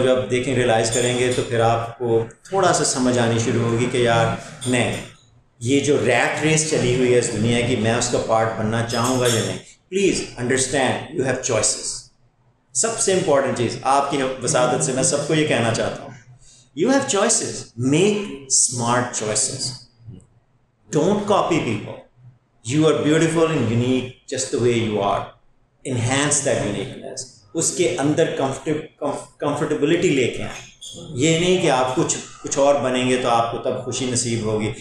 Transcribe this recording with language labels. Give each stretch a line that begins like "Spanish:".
Urdu: جب دیکھیں ریلائز کریں گے تو پھر آپ کو تھوڑا سا سمجھ آنی شروع ہوگی کہ یار نہیں, یہ جو ریٹ ریس چلی ہوئی ہے اس دنیا کی, میں اس کا پارٹ بننا چاہوں گا یا نہیں.
English: Please understand you have choices.
Urdu: سب سے امپورٹنٹ چیز آپ کی وساطت سے میں سب کو یہ کہنا چاہتا ہوں,
English: You have choices, make smart choices, don't copy people. You are beautiful and unique just the way you are. Enhance that uniqueness,
Urdu: اس کے اندر کمفرٹیبلٹی لے کے آئیں. یہ نہیں کہ آپ کچھ اور بنیں گے تو آپ کو تب خوشی نصیب ہوگی.